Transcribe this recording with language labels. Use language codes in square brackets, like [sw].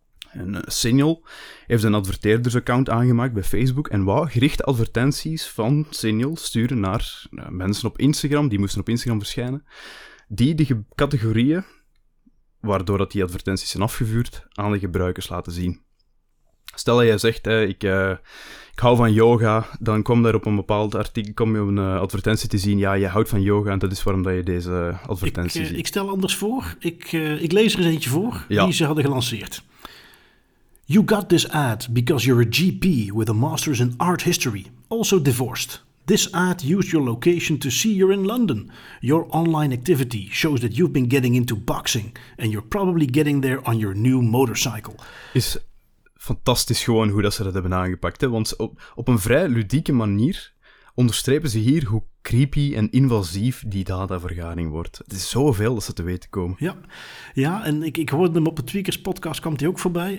[nl] En Signal heeft een adverteerdersaccount aangemaakt bij Facebook en wou gerichte advertenties van Signal sturen naar mensen op Instagram, die moesten op Instagram verschijnen, die de categorieën, waardoor dat die advertenties zijn afgevuurd, aan de gebruikers laten zien. Stel dat jij zegt, ik hou van yoga, dan kom daar op een bepaald artikel, kom je op een advertentie te zien, ja, je houdt van yoga en dat is waarom dat je deze advertentie ziet. Ik stel anders voor, ik lees er eens eentje voor, ja, die ze hadden gelanceerd. [en] You got this ad because you're a GP with a master's in art history, also divorced. This ad used your location to see you're in London. Your online activity shows that you've been getting into boxing and you're probably getting there on your new motorcycle. [nl] Is fantastisch gewoon hoe dat ze dat hebben aangepakt, hè? Want op een vrij ludieke manier onderstrepen ze hier hoe creepy en invasief die datavergaring wordt. Het is zoveel dat ze te weten komen. Ja, ja en ik hoorde hem op de Tweakers podcast, kwam hij ook voorbij.